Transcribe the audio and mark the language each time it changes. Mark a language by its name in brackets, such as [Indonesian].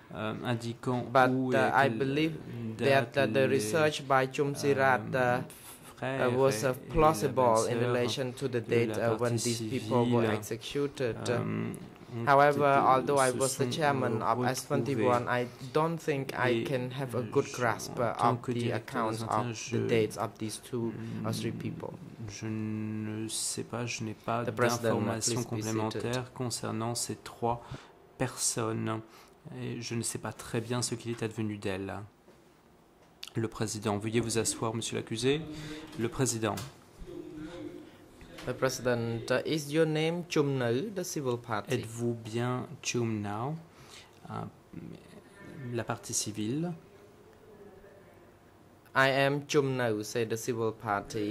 [English] But I believe that the research by Chum Sirath was plausible in relation to the date when these people were executed. However, although I was the chairman of S21, I don't think I can have a good grasp of the accounts of the dates of these two or three people. [French] Je ne sais pas, je n'ai pas d'informations complémentaires concernant ces trois personnes. Et je ne sais pas très bien ce qu'il est advenu d'elles. Le président, veuillez vous asseoir, monsieur l'accusé. Le président. [English] The President, is your name Chum Neou, the civil party? [French] Êtes-vous bien Chum Neou, la partie civile? [English] I am Chum Neou, said the civil party.